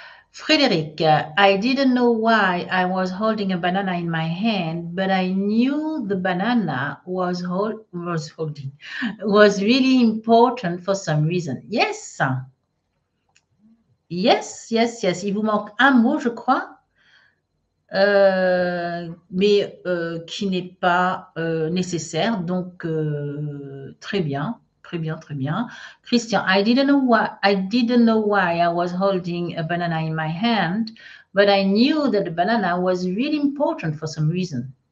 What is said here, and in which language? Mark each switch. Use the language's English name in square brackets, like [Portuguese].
[English] Frédéric, I didn't know why I was holding a banana in my hand, but I knew the banana was really important for some reason. Yes. [French] Il vous manque un mot, je crois, mais qui n'est pas nécessaire. Donc très bien. Très bien, très bien. [English] Christian, I didn't know why I was holding a banana in my hand, but I knew that the banana was really important for some reason.